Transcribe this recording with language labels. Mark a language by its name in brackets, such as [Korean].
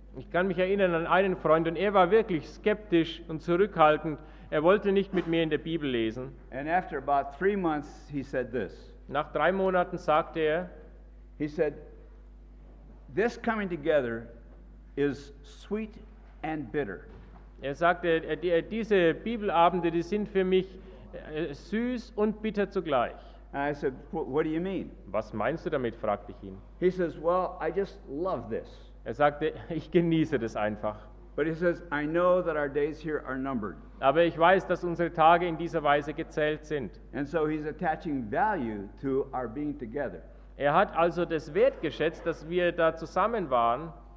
[German] Ich kann mich erinnern an einen Freund, und er war wirklich skeptisch und zurückhaltend. Er wollte nicht mit mir in der Bibel lesen. [English] And after about 3 months, he said this. [German] Nach 3 Monaten sagte er, [English] he said, this coming together is sweet and bitter. [German] Er sagte, diese Bibelabende, die sind für mich süß und bitter zugleich. [English] And I said, what do you mean? [German] Was meinst du damit, fragte ich ihn. [English] He says, well, I just love this. [German] Er sagte, ich genieße das einfach. [English] But he says, I know that our days here are numbered. [German] Aber ich weiß, dass unsere Tage in dieser Weise gezählt sind. [English] And so he's attaching value to our being together. [German] Er hat also das wertgeschätzt, dass wir da zusammen waren.